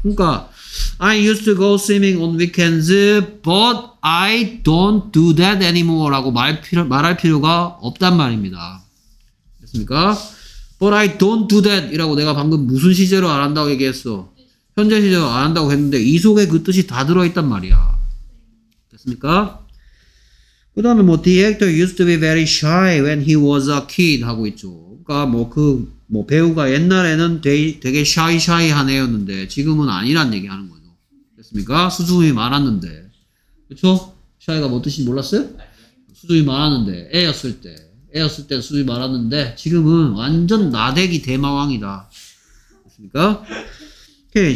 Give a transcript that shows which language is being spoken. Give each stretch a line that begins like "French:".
English: 그러니까 I used to go swimming on weekends but I don't do that anymore
Korean: 라고 말할 필요가 없단 말입니다. 됐습니까?
English: But I don't do that
Korean: 이라고 내가 방금 무슨 시제로 안 한다고 얘기했어. 현재 시제로 안 한다고 했는데 이 속에 그 뜻이 다 들어있단 말이야. 됐습니까? 그 다음에 뭐
English: the actor used to be very shy when he was a kid
Korean: 하고 있죠. 그러니까 뭐 그 뭐 배우가 옛날에는 되게 샤이샤이한 애였는데 지금은 아니란 얘기하는 거죠. 됐습니까? 수줍음이 많았는데. 그렇죠? 샤이가 뭐 뜻인지 몰랐어요? 수줍음이 많았는데 애였을 때. 애였을 때 수줍음이 많았는데 지금은 완전 나대기 대마왕이다. 됐습니까? 오케이.